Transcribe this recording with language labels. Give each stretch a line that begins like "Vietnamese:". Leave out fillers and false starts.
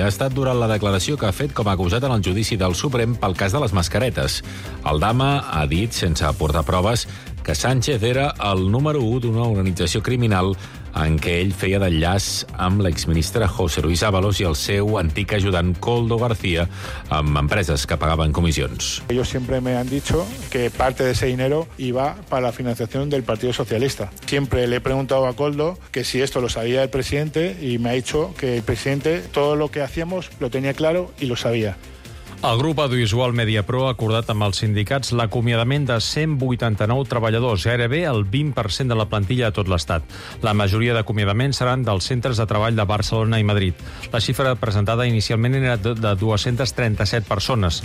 Catalan: Ha estat durant la declaració que ha fet com a acusat en el judici del Suprem pel cas de les mascaretes. Aldama ha dit, sense aportar proves, que Sánchez era el número 1 d'una organització criminal en què ell feia d'enllaç amb l'exministre José Luis Ábalos i el seu antic ajudant Koldo García amb empreses que pagaven comissions.
Spanish: Ellos siempre me han dicho que parte de ese dinero iba para la financiación del Partido Socialista. Siempre le he preguntado a Koldo que si esto lo sabía el presidente y me ha dicho que el presidente todo lo que hacíamos lo tenía claro y lo sabía.
Catalan: El grup audiovisual MediaPro ha acordat amb els sindicats l'acomiadament de 189 treballadors, gairebé el 20% de la plantilla de tot l'estat. La majoria d'acomiadaments seran dels centres de treball de Barcelona i Madrid. La xifra presentada inicialment era de 237 persones.